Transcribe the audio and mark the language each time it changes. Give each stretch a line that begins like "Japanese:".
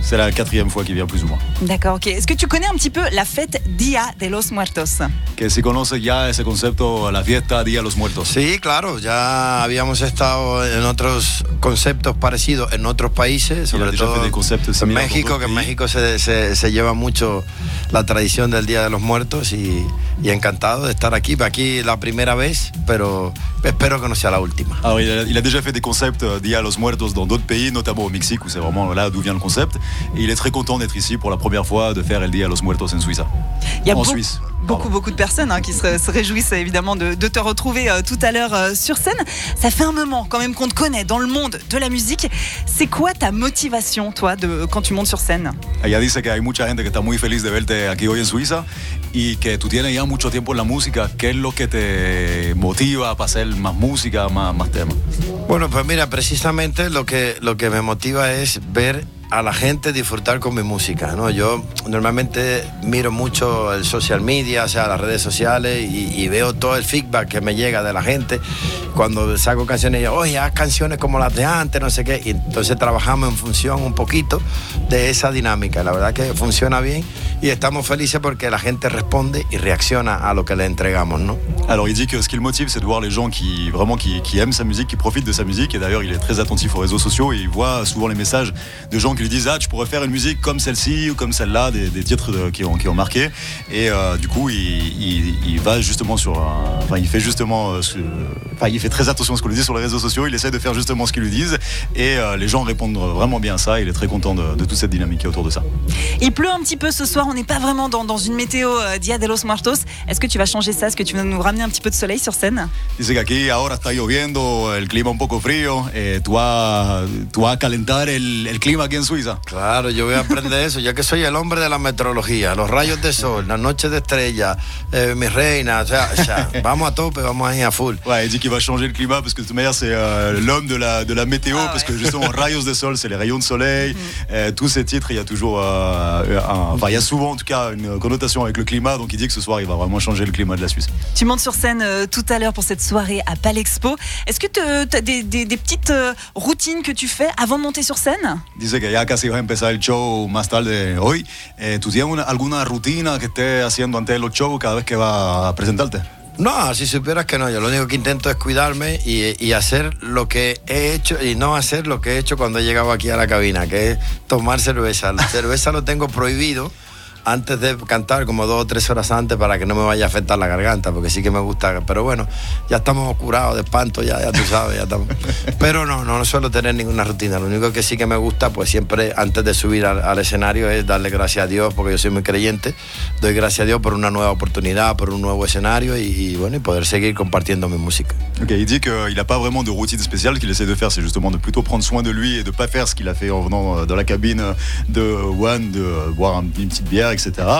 French: C'est la quatrième fois qu'il vient, plus ou moins. D'accord, ok. Est-ce que tu connais un petit peu la fête Día de los Muertos?
Spanish: Que si conoces ya ese concepto, la fiesta Día de los Muertos. Sí, claro. Ya habíamos estado en otros conceptos parecidos en otros países, sobre todo en México, que en México se lleva mucho la tradición del Día de los Muertos y encantado de estar aquí. Aquí la primera vez, pero espero que no sea la última.
French: Ah, oui, il a déjà fait des concepts Día de los Muertos dans d'autres pays, notamment au Mexique, où c'est vraiment là d'où vient le concept. Et il est très content d'être ici pour la première fois de faire el Día de los Muertos en Suisse. Beaucoup de personnes hein, qui se réjouissent évidemment de te retrouver tout à l'heure sur scène. Ça fait un moment quand même qu'on te connaît dans le monde de la musique. C'est quoi ta motivation, toi, quand tu montes sur scène?
Spanish: Ella dice que hay mucha gente que está muy feliz de verte aquí hoy en Suiza y que tú tienes ya mucho tiempo en la música. ¿Qué es lo que te motiva para hacer más música, más temas? Bueno, pues mira, precisamente lo que me motiva es ver a la gente disfrutar con mi música, ¿no? Yo normalmente miro mucho el social media, o sea, las redes sociales, y veo todo el feedback que me llega de la gente. Cuando saco canciones, yo, oye, haz canciones como las de antes, no sé qué. Y entonces trabajamos en función un poquito de esa dinámica. La verdad que funciona bien y estamos felices porque la gente responde y reacciona a lo que le entregamos, ¿no?
French: Alors, il dit que ce qui le motive, c'est de voir les gens qui aiment sa musique, qui profitent de sa musique. Et d'ailleurs, il est très attentif aux réseaux sociaux et il voit souvent les messages de gens qui lui disent « Ah, tu pourrais faire une musique comme celle-ci ou comme celle-là », des titres qui ont marqué. Et du coup, il va justement sur... Enfin, il fait justement... il fait très attention à ce qu'on lui dit sur les réseaux sociaux. Il essaie de faire justement ce qu'ils lui disent. Et les gens répondent vraiment bien à ça. Il est très content de toute cette dynamique qui est autour de ça. Il pleut un petit peu ce soir. On n'est pas vraiment dans une météo Día de los Muertos. Est-ce que tu vas changer ça? Est-ce que tu vas nous ramener un petit peu de soleil sur scène?
Spanish: Dice que aquí ahora está lloviendo, el clima un poco frío. Tú vas a calentar el clima aquí en Suiza. Claro, yo voy a aprender eso, ya que soy el hombre de la meteorología. Los rayos de sol, la noche de estrella, mi reina. O sea, vamos a tope, vamos a ir a full.
French: Ouais, il dit qu'il va changer le climat parce que de toute manière, c'est l'homme de la météo. Ah, parce ouais. Que justement,
Spanish: rayos de sol,
French: c'est les rayons de soleil. Tous ces titres, il y a toujours il y a souvent en tout cas une connotation avec le climat. Donc il dit que ce soir, il va vraiment changer le climat de la Suisse. Tu montes sur scène tout à l'heure pour cette soirée à Palexpo. Est-ce que tu as des petites routines que tu fais avant de monter sur scène?
Spanish: Dice que ya casi va a empezar el show más tarde hoy. ¿Tú tienes alguna rutina que estés haciendo antes del show cada vez que va a presentarte? No, si supieras que no. Yo lo único que intento es cuidarme y hacer lo que he hecho y no hacer lo que he hecho cuando he llegado aquí a la cabina, que es tomar cerveza. La cerveza lo tengo prohibido antes de cantar, como 2 o 3 horas antes, para que no me vaya a afectar la garganta, porque sí que me gusta. Pero bueno, ya estamos curados de espanto, ya tú sabes, ya estamos. Pero no suelo tener ninguna rutina. Lo único que sí que me gusta, pues siempre antes de subir al escenario, es darle gracias a Dios, porque yo soy muy creyente. Doy gracias a Dios por una nueva oportunidad, por un nuevo escenario y poder seguir compartiendo mi música.
French: Ok, il dit qu'il n'a pas vraiment de routine spéciale. Ce qu'il essaie de faire, c'est justement de plutôt prendre soin de lui et de pas faire ce qu'il a fait en venant dans la cabine de Juan, de boire une petite bière, etc.